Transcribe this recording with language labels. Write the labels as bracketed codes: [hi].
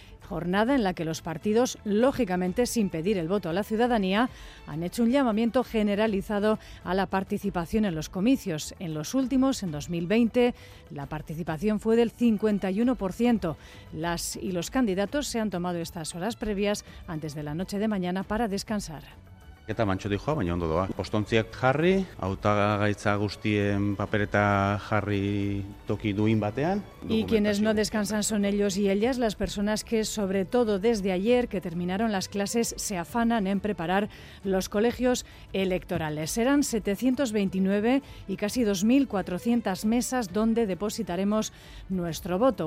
[es] Jornada en la que los partidos, lógicamente sin pedir el voto a la ciudadanía, han hecho un llamamiento generalizado a la participación en los comicios. En los últimos, en 2020, la participación fue del 51%. Las y los candidatos se han tomado estas horas previas antes de la noche de mañana para descansar. [eu] Eta mantxotik joa, baina ondo doa. Postontziak jarri, hautagaitza guztien papereta jarri toki duin batean. [es] Y quienes no descansan son ellos y ellas, las personas que, sobre todo desde ayer, que terminaron las clases, se afanan en preparar los colegios electorales. Serán 729 y casi 2.400 mesas donde depositaremos nuestro voto.